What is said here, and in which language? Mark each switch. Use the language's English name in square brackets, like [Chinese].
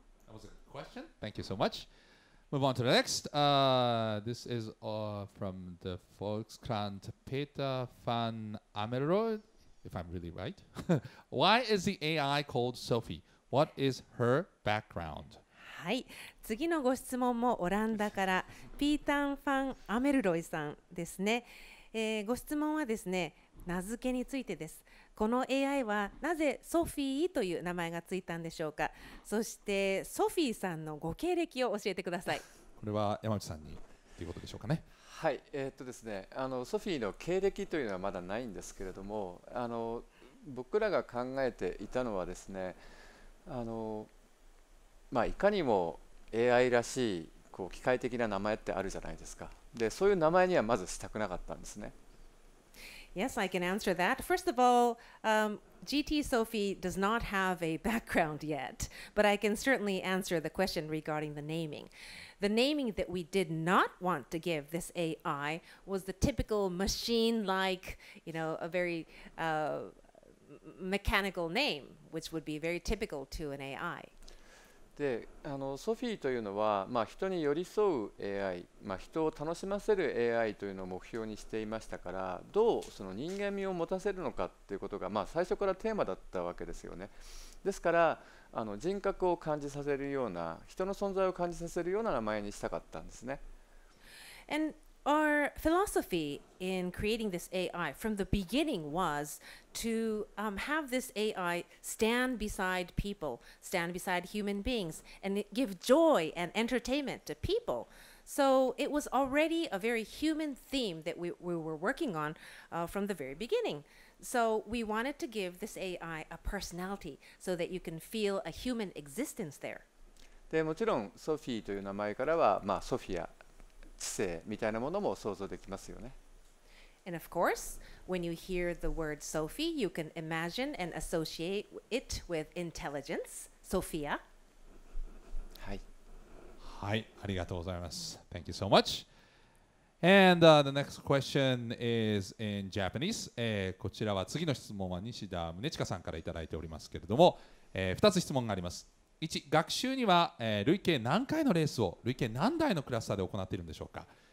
[English] That was a good question. Thank you so much. Move on to the next. This is from the Volkskrant Peter van Amerode, if I'm really right. Why is the AI called Sophy? What is her background? [Japanese] はい、次のご質問もオランダからピーター・ファン・アメルロイさんですね。ご質問はですね、名付けについてです。この AI はなぜソフィーという名前がついたんでしょうか。そしてソフィーさんのご経歴を教えてください。これは山内さんにということでしょうかね。はい、ですね、あのソフィーの経歴というのはまだないんですけれども、あの僕らが考えていたのはですね、あの、まあ、いかにも AI らしいこう機械的な名前ってあるじゃないですか。でそういう名前にはまずしたくなかったんですね。 [English] Yes, I can answer that. First of all, GT Sophy does not have a background yet, but I can certainly answer the question regarding the naming. The naming that we did not want to give this AI was the typical machine-like, you know, a very mechanical name, which would be very typical to an AI. [Japanese] で、あの、ソフィーというのは、まあ、人に寄り添う AI、まあ、人を楽しませる AI というのを目標にしていましたから、どうその人間味を持たせるのかということが、まあ、最初からテーマだったわけですよね。ですから、あの人格を感じさせるような人の存在を感じさせるような名前にしたかったんですね。 [English] And our philosophy in creating this AI from the beginning was to、have this AI stand beside people, stand beside human beings, and give joy and entertainment to people. So it was already a very human theme that we were working on、from the very beginning. So we wanted to give this AI a personality so that you can feel a human existence there. [Japanese] で、もちろんソフィーという名前からは、まあ、ソフィア、知性みたいなものも想像できますよね。 [English] And of course, when you hear the word Sophie, you can imagine and associate it with intelligence, Sophia. [Japanese] はい。はい、ありがとうございます。 [English] Thank you so much. And、the next question is in Japanese.、 [Japanese] こちらは次の質問は西田宗近さんからいただいておりますけれども、2つ質問があります。 1、学習には、累計何回のレースを累計何台のクラスターで行っているんでしょうか。